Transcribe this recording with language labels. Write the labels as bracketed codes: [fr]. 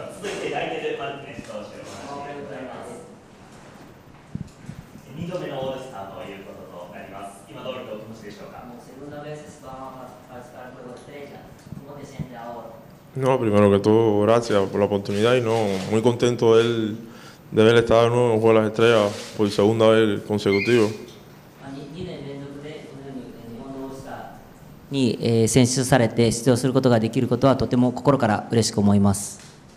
[ja] 続いてライデル・マルティネス投手、おめでとうございます。 2度目のオールスターということとなります。今どういうお気持ちでしょうか。もうセブンダベース、スパーマーファースパースパープロステージャー、ここで戦であおう。 [es] No, primero que todo, gracias por la oportunidad y no, muy contento de haber estado en un juego de las estrellas por segunda vez consecutivo. [ja] 2年連続でこのように日本のオールスターに選出されて出場することができることはとても心から嬉しく思います。